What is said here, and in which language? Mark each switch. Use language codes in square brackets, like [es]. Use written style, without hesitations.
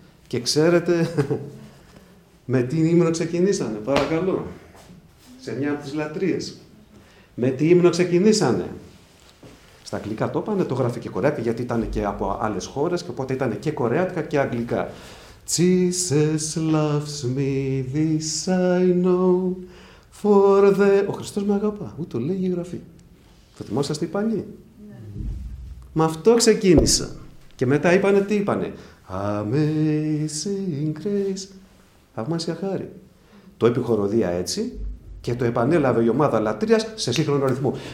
[el] Και ξέρετε με τι ύμνο ξεκινήσανε, παρακαλώ. Σε μια από τις λατρείες. Με τι ύμνο ξεκινήσανε. Στα αγγλικά το είπανε, το γράφει και κορεάτικα, γιατί ήταν και από άλλες χώρες και οπότε ήταν και κορεάτικα και αγγλικά. [en] Jesus loves me, this I know, for the... [el] Ο Χριστός με αγαπά, ούτε λέει η γραφή. Θα θυμόσαστε οι παλιοί. Ναι. Με αυτό ξεκίνησα. Και μετά είπανε τι είπανε. Amazing grace, θαυμάσια χάρη. Το είπε η χοροδία έτσι και το επανέλαβε η ομάδα λατρείας σε σύγχρονο ρυθμό.